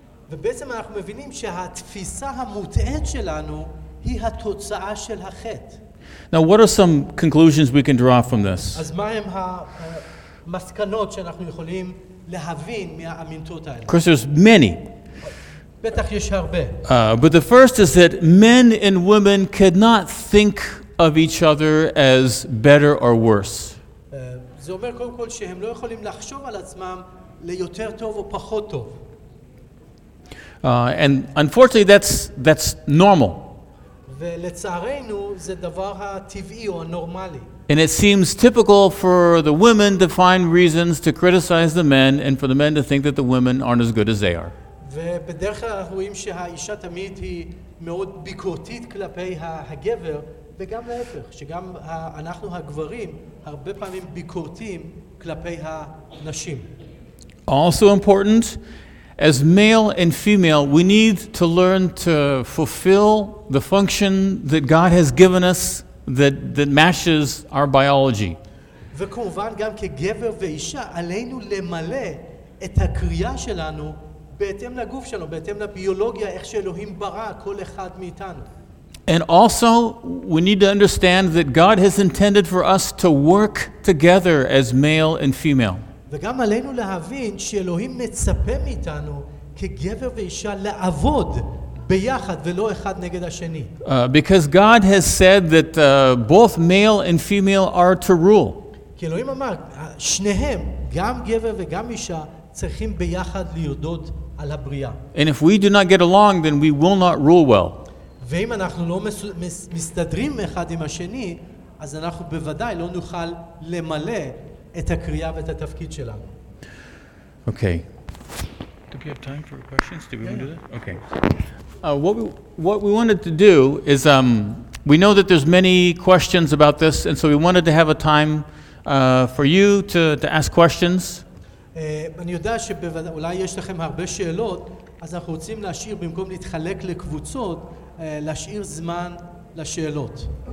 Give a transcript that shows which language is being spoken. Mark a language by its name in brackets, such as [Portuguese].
[Hebrew] ובעצם אנחנו מבינים שהתפיסה המוטעת שלנו היא התוצאה של החטא. [English] Now, what are some conclusions we can draw from this? [Hebrew] אז מה הם המסקנות שאנחנו יכולים להבין מהאמיתות האלה? [English] Of course, there's many. [Hebrew] בטח יש הרבה. [English] But the first is that men and women could not think of each other as better or worse. [Hebrew] זה אומר קודם כל שהם לא יכולים לחשוב על עצמם ליותר טוב או פחות טוב. [English] And unfortunately, that's normal. [Hebrew] ולצערנו זה דבר הטבעי או הנורמלי. [English] And it seems typical for the women to find reasons to criticize the men and for the men to think that the women aren't as good as they are. [Hebrew] ובדרך כלל רואים שהאישה תמיד היא מאוד ביקורתית כלפי הגבר, וגם להפך, שגם אנחנו הגברים הרבה פעמים ביקורתיים כלפי הנשים. [English] Also important, as male and female, we need to learn to fulfill the function that God has given us that matches our biology. [Hebrew] וכמובן גם כגבר ואישה עלינו למלא את הקריאה שלנו בהתאם לגוף שלנו, בהתאם לביולוגיה, איך שאלוהים ברא כל אחד מאיתנו. [English] And also, we need to understand that God has intended for us to work together as male and female. [Hebrew] וגם עלינו להבין שאלוהים מצפה מאיתנו כגבר ואישה לעבוד ביחד ולא אחד נגד השני. [English] Because God has said that both male and female are to rule. [Hebrew] כי אלוהים אמר, שניהם, גם גבר וגם אישה, צריכים ביחד להיות על הבריאה. [English] And if we do not get along, then we will not rule well. [Hebrew] ואם אנחנו לא מסתדרים אחד עם השני, אז אנחנו בוודאי לא נוכל למלא את הקריאה ואת התפקיד שלנו. [English] Okay. Do we have time for questions? Do we want to do that? Okay. What we wanted to do is we know that there's many questions about this, and so we wanted to have a time for you to ask questions. [Hebrew] אני יודע שאולי יש לכם הרבה שאלות, אז אנחנו רוצים להשאיר, במקום להתחלק לקבוצות, להשאיר זמן לשאלות.